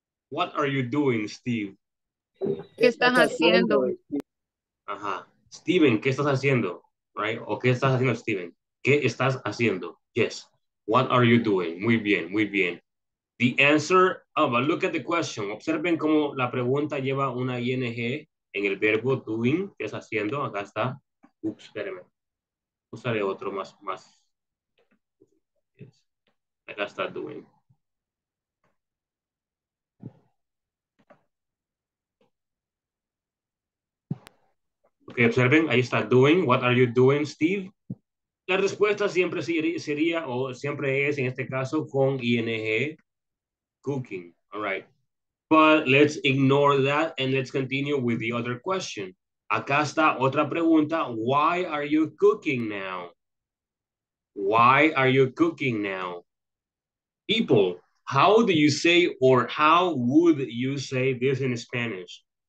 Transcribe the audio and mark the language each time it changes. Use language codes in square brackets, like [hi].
[en] What are you doing, Steve? [es] ¿Qué estás haciendo? Ajá. Steven, ¿qué estás haciendo? [en] Right? [es] ¿O qué estás haciendo, Steven? ¿Qué estás haciendo? [en] Yes. What are you doing? [es] Muy bien, muy bien. [en] The answer, oh, but look at the question. [es] Observen cómo la pregunta lleva una ing en el verbo doing, ¿qué estás haciendo? Acá está. Ups, espérenme. Usaré otro más. Yes. Acá está doing. [en] Ok, [es] observen, ahí está, [en] doing, what are you doing, Steve? [es] La respuesta siempre sería, o siempre es, en este caso, con ing, [en] cooking, all right. But let's ignore that and let's continue with the other question. [es] Acá está otra pregunta, [en] why are you cooking now? Why are you cooking now? People, how do you say or how would you say this in Spanish?